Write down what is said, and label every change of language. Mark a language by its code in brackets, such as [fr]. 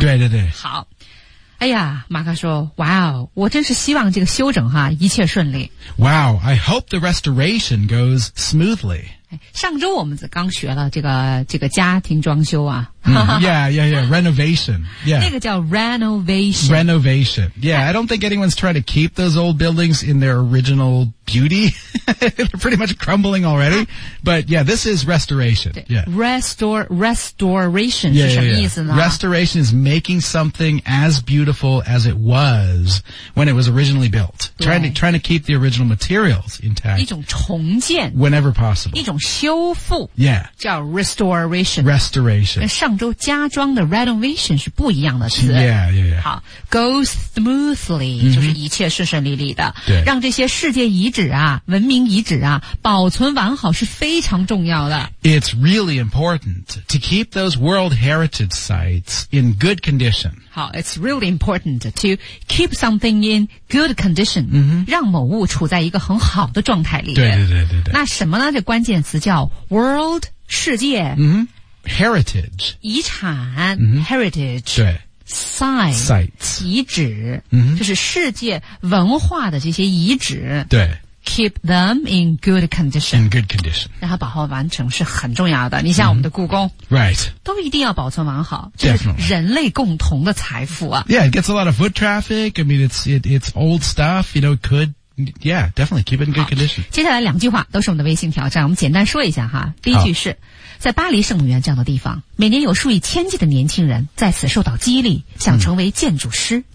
[zh] 对对对。好。哎呀，马克说，哇哦，我真是希望这个修整哈一切顺利。 [en] Wow, I hope the restoration goes smoothly. [zh] 上周我们刚学了这个家庭装修啊、 [en] mm, ，Yeah, yeah, yeah, renovation. Yeah, [zh] 那个叫 renovation. [en] Renovation. Yeah, I don't think anyone's trying to keep those old buildings in their original beauty. They're pretty much crumbling already. But yeah, this is restoration. Yeah, restoration yeah, [zh] 是什么意思呢 [en] yeah, yeah. Restoration is making something as beautiful as it was when it was originally built. Trying to keep the original materials intact. [zh] 一种重建 [en] Whenever possible. [zh] 一种修复 [en] Yeah, [zh] 叫 restoration. [en] Restoration. [zh] 跟上郑州家装的 renovation 是不一样的词。 [en] Yeah, yeah, yeah. [zh] 好 , [en] go smoothly,、 [zh] mm-hmm. 就是一切顺顺利利的。对。让这些世界遗址啊文明遗址啊保存完好是非常重要的。 [en] It's really important to keep those world heritage sites in good condition. 好 it's really important to keep something in good condition,、 mm-hmm. [zh] 让某物处在一个很好的状态里。对对对对对。那什么呢这关键词叫 world, 世界、 [en] mm-hmm. heritage, [zh] 遗产、 mm-hmm. [en] heritage, [zh] 对 sites, 遗址、 mm-hmm. 就是世界文化的这些遗址。对。 Keep them in good condition. In good condition. 让它保护完成是很重要的。你像我们的故宫、 [en] mm-hmm. Right. [zh] 都一定要保存完好。 [en] Definitely. 就是 [zh] 人类共同的财富啊。 [en] Yeah, it gets a lot of foot traffic. I mean, it's old stuff. You know, it could, yeah, definitely keep it in good condition. [zh] 接下来两句话都是我们的微信挑战。我们简单说一下哈。第一句是、在巴黎圣母院这样的地方每年有数以千计的年轻人在此受到激励想成为建筑师、